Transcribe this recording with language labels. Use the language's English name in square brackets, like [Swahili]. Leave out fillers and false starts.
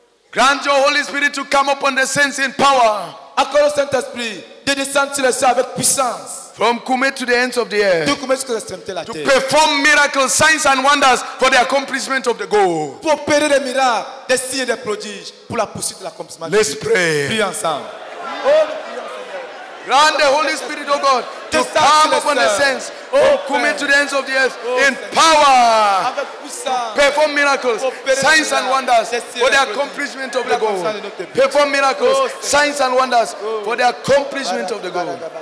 [English] grant your Holy Spirit to come upon the saints in power. [French] Accord au Saint-Esprit de descendre sur les saints avec puissance. [English] From Kume to the ends of the earth. [French] De Kume jusqu'aux extrémités de la terre. [English] To perform miracles, signs and wonders for the accomplishment of the goal. [French] Pour opérer des miracles, des signes et des prodiges pour la poursuite de l'accomplissement. [English] Let's pray. [French] Prions ensemble. [English] Grant the Holy Spirit, O God, to come upon the saints, to come to the ends of the earth in power, perform miracles, signs and wonders for the accomplishment of the goal. Perform miracles, signs and wonders for the accomplishment of the goal.